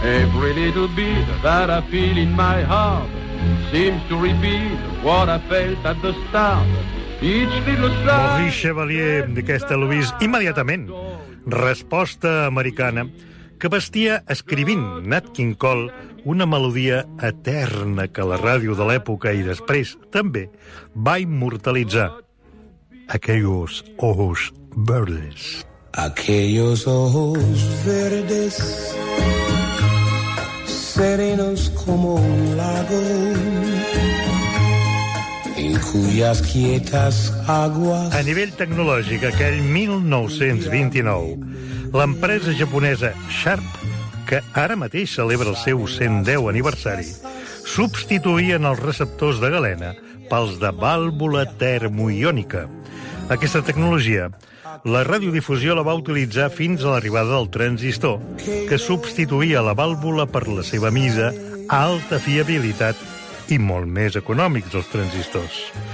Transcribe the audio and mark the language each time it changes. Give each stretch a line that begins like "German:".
English: Every little bit that I feel in my heart seems to repeat what I felt at the start.
Catalan: Maurice Chevalier, aquesta Louise, immediatament. Resposta americana que vestia escrivint Nat King Cole una melodia eterna que la ràdio de l'època i després també va immortalitzar.
Spanish: Aquellos ojos verdes. Aquellos ojos verdes, serenos como un lago, en cuyas quietas aguas...
Catalan: A nivell tecnològic, aquell 1929, l'empresa japonesa Sharp, que ara mateix celebra el seu 110 aniversari, substituïen els receptors de galena pels de vàlvula termoiònica. Aquesta tecnologia, la radiodifusió la va utilitzar fins a l'arribada del transistor, que substituïa la vàlvula per la seva mida, alta fiabilitat i molt més econòmics, els transistors.